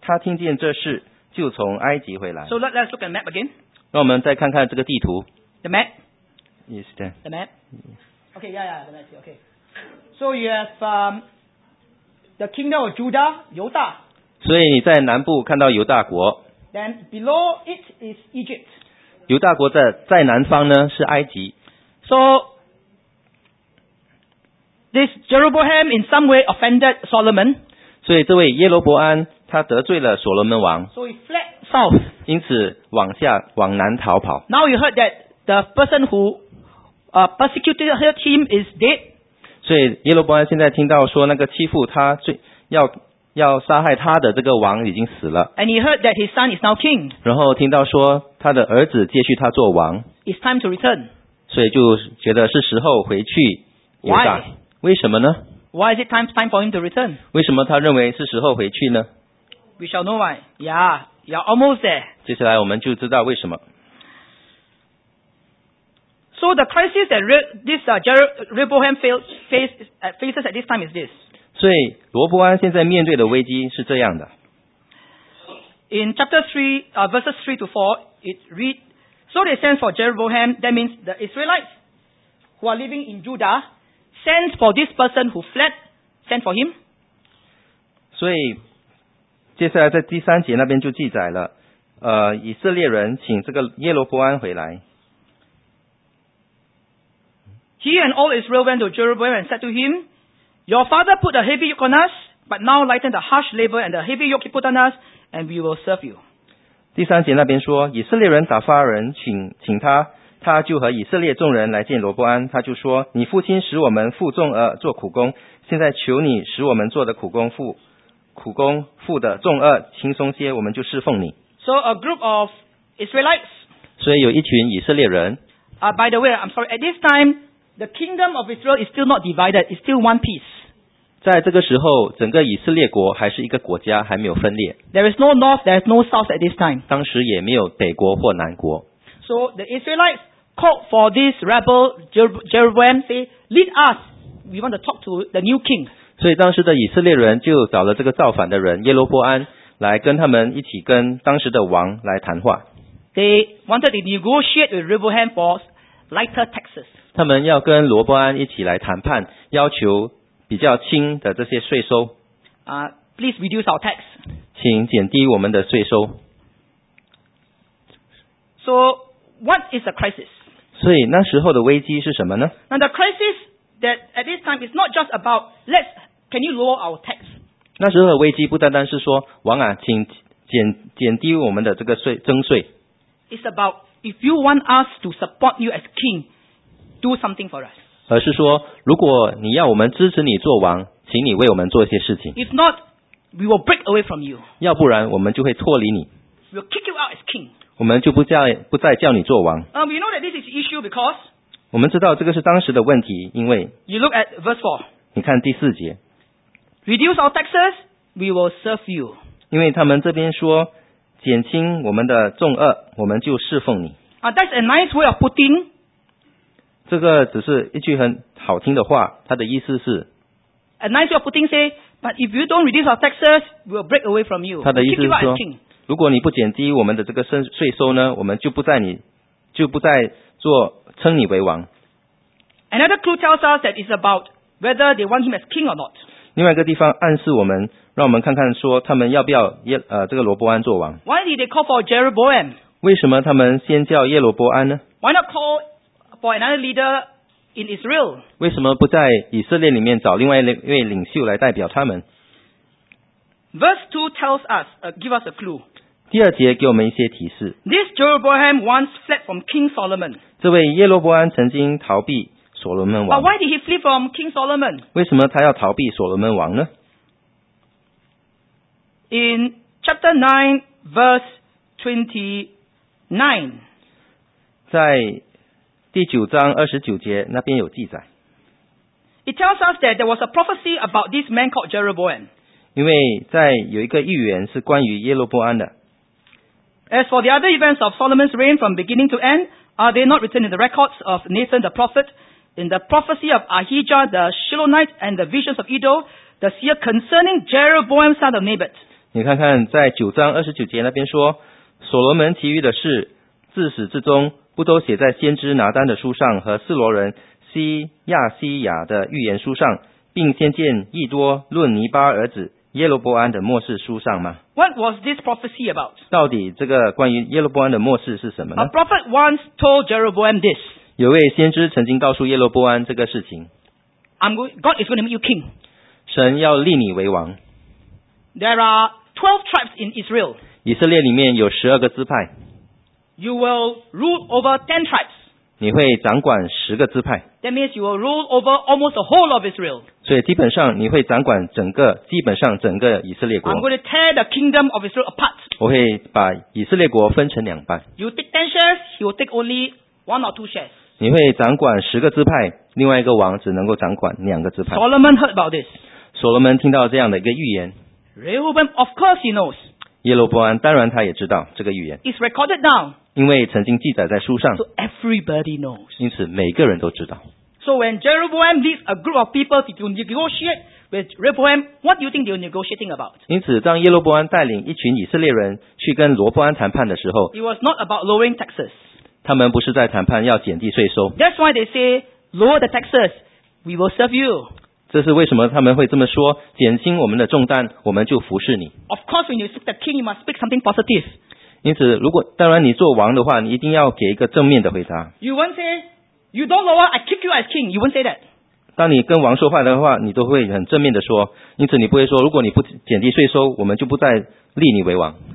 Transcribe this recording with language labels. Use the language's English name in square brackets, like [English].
[Chinese] 在第二节那里说，尼巴的儿子耶罗波安先前躲避所罗门王，逃往埃及住在那里。他听见这事，就从埃及回来。 [English] So let's look at the map again. [Chinese] 让我们再看看这个地图。 [English] The map? Yes, then. The map? Okay, the map. Okay. So you have the kingdom of Judah, 犹大. [Chinese] 所以你在南部看到犹大国。 [English] Then below it is Egypt. [Chinese] 犹大国在南方呢是埃及。 [English] So this Jeroboam in some way offended Solomon. [Chinese] 所以这位耶罗伯安他得罪了所罗门王。 [English] So he fled south. [Chinese] 因此往南逃跑。 [English] Now you heard that the person who persecuted him is dead. [Chinese] 所以耶罗伯安现在听到说那个欺负他最要杀害他的这个王已经死了。 [English] And he heard that his son is now king. [Chinese] 然后听到说他的儿子接续他做王。 [English] It's time to return. [Chinese] 所以就觉得是时候回去犹大。 [English] Why? [Chinese] 为什么呢？ [English] Why is it time for him to return? [Chinese] 为什么他认为是时候回去呢？ [English] We shall know why. Yeah, you're almost there. [Chinese] 接下来我们就知道为什么。 [English] So the crisis that this Rehoboam faces at this time is this. [Chinese] 所以罗伯安现在面对的危机是这样的。 [English] In chapter 3, verses 3 to 4, it reads, So they sent for Jeroboam, that means the Israelites who are living in Judah, sent for this person who fled, sent for him. [Chinese] 所以接下来在第三节那边就记载了，以色列人请这个耶罗伯安回来。 [English] He and all Israel went to Jeroboam and said to him,Your father put a heavy yoke on us, but now lighten the harsh labor and the heavy yoke he put on us, and we will serve you. [Chinese] 第三节那边说，以色列人打发人请他，他就和以色列众人来见罗伯安，他就说，你父亲使我们负重轭做苦工，现在求你使我们做的苦工负的重轭轻松些，我们就侍奉你。 [English] So a group of Israelites. [Chinese] 所以有一群以色列人。 [English] By the way, I'm sorry, at this time,The kingdom of Israel is still not divided; it's still one piece. [Chinese] 在这个时候，整个以色列国还是一个国家，还没有分裂。 [English] There is no north, there is no south at this time. [Chinese] 当时也没有北国或南国。 [English] So the Israelites called for this rebel Jeroboam, say, "Lead us. We want to talk to the new king." [Chinese] 所以当时的以色列人就找了这个造反的人耶罗伯安来跟他们一起跟当时的王来谈话。 [English] They wanted to negotiate with Jeroboam for lighter taxes. [Chinese] 他们要跟罗伯安一起来谈判，要求比较轻的这些税收。 [English] Please reduce our tax. [Chinese] 请减低我们的税收。 [English] So what is the crisis? [Chinese] 所以那时候的危机是什么呢？ [English] Now the crisis that at this time is not just about can you lower our tax? [Chinese] 那时候的危机不单单是说王啊，请减低我们的这个税征税。 [English] It's about if you want us to support you as king. Do something for us. [Chinese] 而是说，如果你要我们支持你做王，请你为我们做一些事情。 [English] If not, we will break away from you. [Chinese] 要不然，我们就会脱离你。 [English] We will kick you out as king. [Chinese] 我们就不再叫你做王。 [English] We know that this is issue because. [Chinese] 我们知道这个是当时的问题，因为。 [English] You look at verse 4. [Chinese] 你看第四节。 [English] Reduce our taxes, we will serve you. [Chinese] 因为他们这边说，减轻我们的重轭，我们就侍奉你。 [English] That's a nice way of putting. [Chinese] 这个只是一句很好听的话，它的意思是 [English] ，A nice of putting say, but if you don't reduce our taxes, we'll break away from you. [Chinese] 他的意思是说，如果你不减低我们的这个税收呢，我们就不再称你为王。 [English] Another clue tells us that it's about whether they want him as king or not. [Chinese] 另外一个地方暗示我们，让我们看看说他们要不要这个罗伯安做王。 [English] Why did they call for Jeroboam? [Chinese] 为什么他们先叫耶罗伯安呢 [English] ？Why not call? For another leader in Israel. [Chinese] 为什么不在以色列里面找另外一位领袖来代表他们？ [English] Verse 2 tells us, give us a clue. [Chinese] 第二节给我们一些提示。 [English] This Jeroboam once fled from King Solomon. [Chinese] 这位耶罗伯安曾经逃避所罗门王。 [English] But why did he flee from King Solomon? [Chinese] 为什么他要逃避所罗门王呢？ [English] In chapter 9, verse 29. [Chinese] 在第九章二十九节那边有记载。 [English] It tells us that there was a prophecy about this man called Jeroboam. [Chinese] 因为在有一个预言是关于耶罗伯安的。 [English] As for the other events of Solomon's reign from beginning to end, are they not written in the records of Nathan the prophet, in the prophecy of Ahijah the Shilonite and the visions of Edo, the seer concerning Jeroboam son of Nebat? [Chinese] 你看看在九章二十九节那边说，所罗门其余的事，自始至终。不都写在先知拿单的书上和示罗人西亚西亚的预言书上，并先见义多论尼巴儿子耶罗伯安的末世书上吗？ [English] What was this prophecy about? [Chinese] 到底这个关于耶罗伯安的末世是什么呢？ [English] A prophet once told Jeroboam this. [Chinese] 有位先知曾经告诉耶罗伯安这个事情。 [English] God is going to make you king. [Chinese] 神要立你为王。 [English] There are 12 tribes in Israel. [Chinese] 以色列里面有12个支派。 [English] You will rule over 10 tribes. [Chinese] 你会掌管十个支派。 [English] That means you will rule over almost the whole of Israel. [Chinese] 所以基本上你会掌管整个，基本上整个以色列国。 [English] I'm going to tear the kingdom of Israel apart. [Chinese] 我会把以色列国分成两半。 [English] You take 10 shares, he will take only one or two shares. [Chinese] 你会掌管十个支派，另外一个王只能够掌管两个支派。 [English] Solomon heard about this. [Chinese] 所罗门听到这样的一个预言。 [English] Rehoboam, of course, he knows. [Chinese] 耶罗波安当然他也知道这个预言， [English] It's recorded down, [Chinese] 因为曾经记载在书上， [English] so everybody knows. [Chinese] 因此每个人都知道。 [English] So when Jeroboam leads a group of people to negotiate with Rehoboam, what do you think they were negotiating about? [Chinese] 因此当耶罗波安带领一群以色列人去跟罗波安谈判的时候， [English] It was not about lowering taxes. [Chinese] 他们不是在谈判要减低税收。 [English] That's why they say, lower the taxes, we will serve you. [Chinese] 这是为什么他们会这么说，减轻我们的重担，我们就服侍你。 [English] Of course, when you speak the king, you must speak something positive. [Chinese] 因此，如果当然你做王的话，你一定要给一个正面的回答。 [English] You won't say, you don't lower, I kick you as king. You won't say that. [Chinese] 当你跟王说话的话，你都会很正面的说。因此，你不会说，如果你不减低税收，我们就不再立你为王。